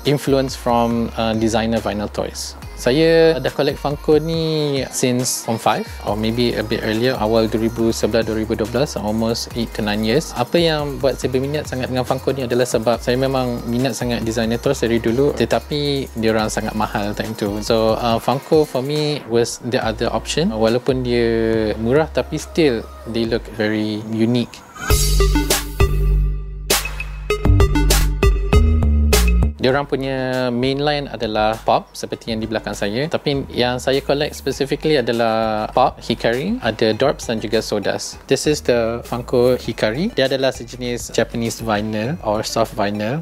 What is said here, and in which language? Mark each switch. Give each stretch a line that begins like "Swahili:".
English: Influence from designer vinyl toys.
Malay: Saya dah collect Funko ni
English: since Form 5 or maybe a bit earlier, awal 2011-2012, almost 8 to 9 years.
Malay: Apa yang buat saya berminat sangat dengan Funko ni adalah sebab saya memang minat sangat designer toys dari dulu, tetapi diorang sangat mahal time tu.
English: So Funko for me was the other option.
Malay: Walaupun dia murah, tapi
English: still they look very unique.
Malay: Diorang punya mainline adalah pop seperti yang di belakang saya. Tapi yang saya collect specifically adalah pop, hikari, ada dorps dan juga sodas.
English: This is the Funko Hikari.
Malay: Dia adalah sejenis
English: Japanese vinyl or soft vinyl.